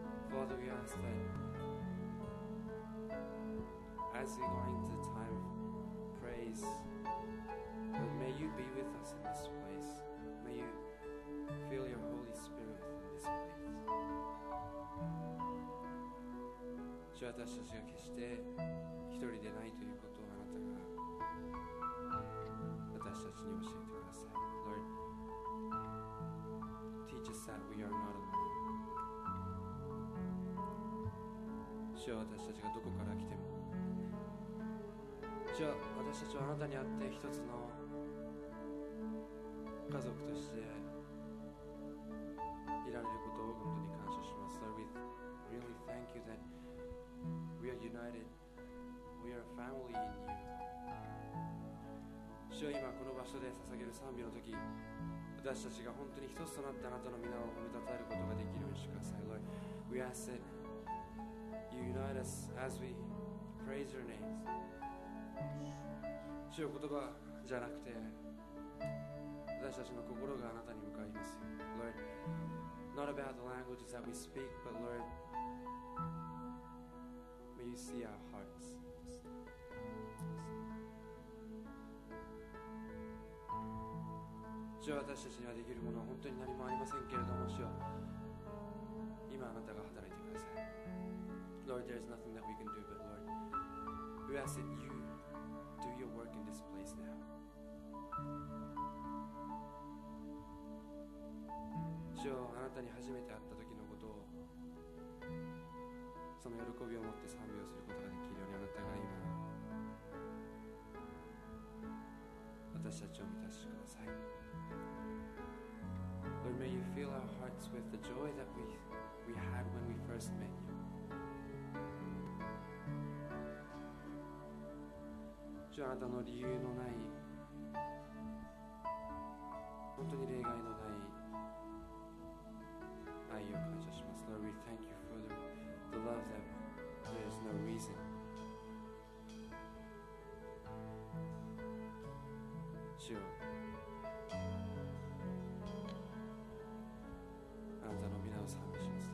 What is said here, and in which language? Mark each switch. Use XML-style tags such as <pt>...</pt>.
<en>Father, we ask that as we go into the time of praise, Lord, may you be with us in this place. May you fill your Holy Spirit in this place.</en> <ja>私たちが決して一人でないということをあなたが私たちに教えてください。</ja> <en>Lord, teach us that we are not alone.</en> <ja>主は私たちがどこから来ても主は私たちはあなたにあって一つの家族としていられることを本当に感謝します。</ja> <en>Lord, we really thank you that we are united, we are a family in you.</en> <ja>主は今この場所で捧げる賛美の時、私たちが本当に一つとなってあなたの皆を褒めたたえることができるようにしてください。</ja> <en>Lord, we ask thatYou unite us as we praise your name.</en> <ja>主よ、言葉じゃなくて私たちの心があなたに向かいますよ。</ja> <en>Lord, not about the languages that we speak, but Lord, may you see our hearts.</en> <ja>主は私たちにはできるものは本当に何もありませんけれども、主は今あなたが働いてください。</ja> <en>Lord, there is nothing that we can do, but Lord, we ask that you do your work in this place now.</en> <ja>主よ、あなたに初めて会った時のことを、その喜びを持って賛美をすることができるように、あなたが今私たちを満たしてください。</ja> <en>Lord, may you fill our hearts with the joy that we had when we first met you.</en> <ja>主よ、あなたの理由のない、本当に例外のない愛を感謝します。</ja> <en>Lord, we thank you for the love that there is no reason.</en> <ja>主よ、あなたの皆を賛美します。</ja>